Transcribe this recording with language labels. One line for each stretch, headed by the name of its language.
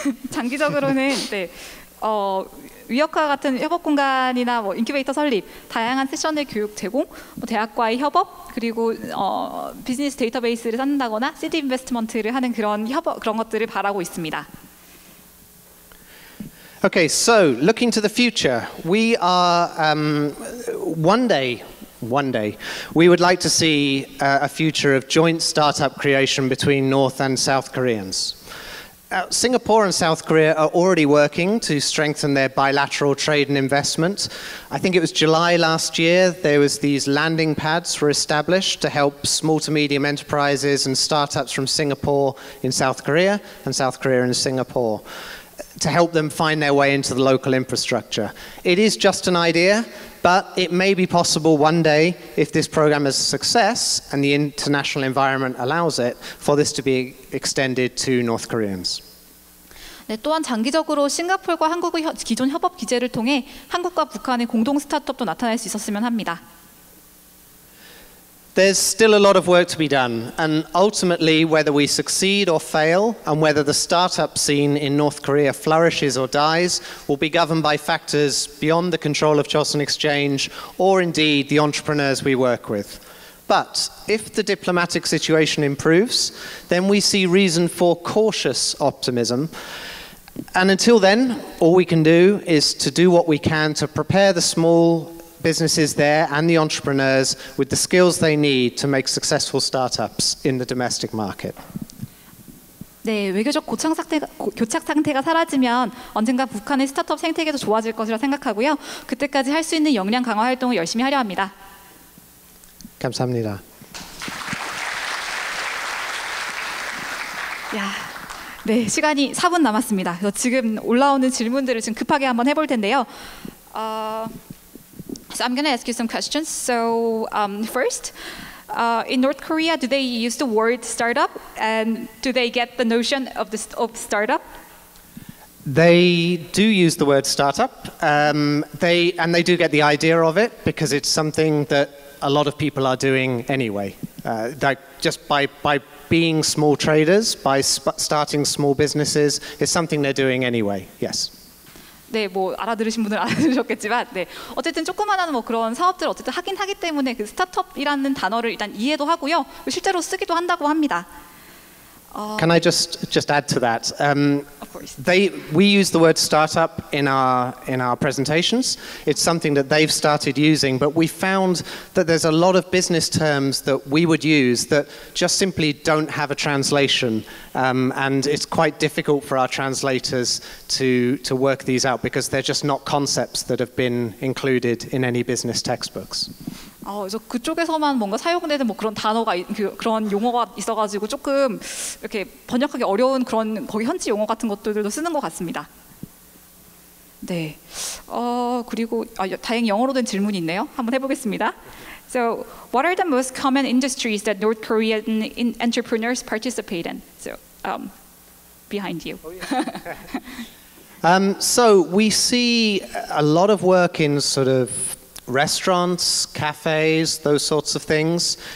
Korean: 장기적으로는 네, 위역화 같은 협업 공간이나 뭐 인큐베이터 설립, 다양한 세션의 교육 제공, 뭐 대학과의 협업, 그리고 비즈니스 데이터베이스를 쌓는다거나 시드 인베스트먼트를 하는 그런 협업 그런 것들을 바라고 있습니다.
English: Okay, so looking to the future, we are one day, we would like to see a future of joint startup creation between North and South Koreans. Singapore and South Korea are already working to strengthen their bilateral trade and investment. I think it was July last year, there was these landing pads were established to help small to medium enterprises and startups from Singapore in South Korea and South Korea in Singapore to help them find their way into the local infrastructure. It is just an idea, but it may be possible one day, if this program is a success and the international environment allows it, for this to be extended to North Koreans.
Korean: 네, 또한 장기적으로 싱가포르과 한국의 기존 협업 기재를 통해 한국과 북한의 공동 스타트업도 나타날 수 있었으면 합니다.
English: There's still a lot of work to be done, and ultimately, whether we succeed or fail, and whether the startup scene in North Korea flourishes or dies, will be governed by factors beyond the control of Choson Exchange, or indeed the entrepreneurs we work with. But if the diplomatic situation improves, then we see reason for cautious optimism. And until then, all we can do is to do what we can to prepare the small businesses there and the entrepreneurs with the skills they need to make successful startups in the domestic market.
Korean: 네, 외교적 교착상태가 사라지면 언젠가 북한의 스타트업 생태계도 좋아질 것이라 생각하고요. 그때까지 할 수 있는 역량 강화 활동을 열심히 하려 합니다. 감사합니다. 야, 네, 시간이 4분 남았습니다. 그래서 지금 올라오는 질문들을 지금 급하게 한번 해볼 텐데요.
English: So I'm going to ask you some questions. So first, in North Korea, do they use the word startup? And do they get the notion of the startup? They do use the word startup. They do get the idea of it because it's something that a lot of people are doing anyway. Just by being small traders, by starting small businesses, it's something they're doing anyway. Yes.
Korean: 네, 뭐 알아들으신 분들 알아들으셨겠지만, 네, 어쨌든 조그마한 뭐 그런 사업들 어쨌든 하긴 하기 때문에 그 스타트업이라는 단어를 일단 이해도 하고요, 실제로 쓰기도 한다고 합니다.
English: Can I just add to that? Of course. We use the word startup in our presentations. It's something that they've started using, but we found that there's a lot of business terms that we would use that just simply don't have a translation, and it's quite difficult for our translators to work these out because they're just not concepts that have been included in any business textbooks.
Korean: 그래서 그쪽에서만 뭔가 사용되는 뭐 그런 단어가 그런 용어가 있어가지고 조금 이렇게 번역하기 어려운 그런 거기 현지 용어 같은 것들도 쓰는 것 같습니다. 네. 그리고 다행히 영어로 된 질문이 있네요. 한번 해보겠습니다.
English: So, what are the most common industries that North Korean entrepreneurs participate in? So, behind you. So we see a lot of work in sort of restaurants, cafes, those sorts of things.